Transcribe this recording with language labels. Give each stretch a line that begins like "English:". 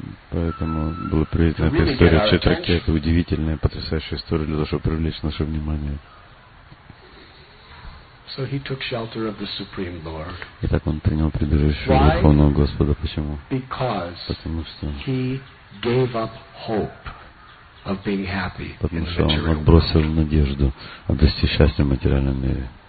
Russian: Поэтому была приведена эта история Читракеты, удивительная, потрясающая история для того, чтобы привлечь наше внимание.
English: So he took shelter of the Supreme Lord.
Russian: Итак, он принял прибежище у Верховного Господа. Почему?
English: Because
Russian: потому что
English: he gave up hope of being happy.
Russian: Потому что он отбросил надежду обрести счастье в материальном мире.